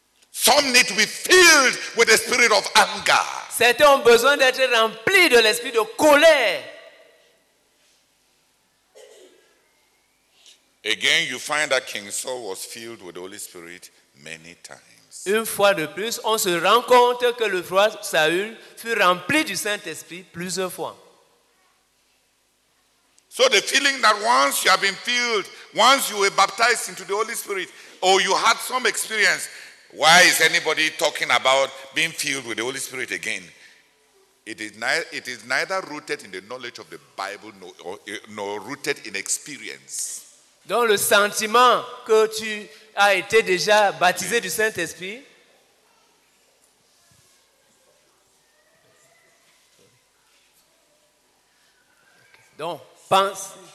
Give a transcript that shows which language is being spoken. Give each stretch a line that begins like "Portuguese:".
English: Some need to be filled with the spirit of anger.
French: Certains ont besoin d'être remplis de l'esprit de colère.
English: Again, you find that King Saul was filled with the Holy Spirit many times.
French: Une fois de plus, on se rend compte que le roi Saül fut rempli du Saint-Esprit plusieurs fois.
English: So the feeling that once you have been filled, once you were baptized into the Holy Spirit, or you had some experience. Why is anybody talking about being filled with the Holy Spirit again? It is neither rooted in the knowledge of the Bible nor rooted in experience.
French: Dans le sentiment que tu as été déjà baptisé du Saint-Esprit. Donc, pense.